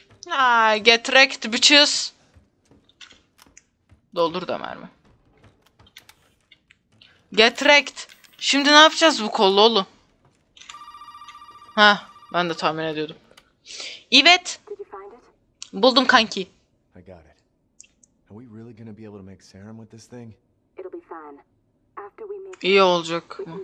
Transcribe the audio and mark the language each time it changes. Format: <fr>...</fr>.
<en>Aa, get wrecked bitches.</en> <tr>Doldur da mermi.</tr> <en>Get wrecked.</en> <tr>Şimdi ne yapacağız bu kollu oğlum? Hah, ben de tahmin ediyordum. Evet. Buldum kanki.</tr> <en>I got it. Are we really gonna be able to make serum with this thing? It'll be fine. After we make it.</en> <tr>İyi olacak.</tr>